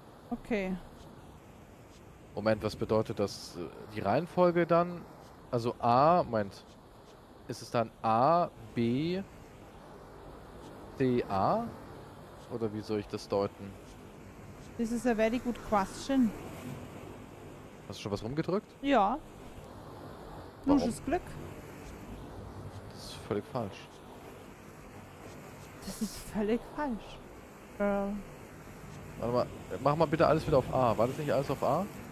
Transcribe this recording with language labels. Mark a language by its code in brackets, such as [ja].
[de] Okay. Moment, was bedeutet das? Die Reihenfolge dann? Also A, Moment. Ist es dann A, B, C, A? Oder wie soll ich das deuten? [en] This is a very good question. [de] Hast du schon was rumgedrückt? Ja. Nusches Glück. Das ist völlig falsch. Das ist völlig falsch. Girl. Warte mal, mach mal bitte alles wieder auf A. War das nicht alles auf A?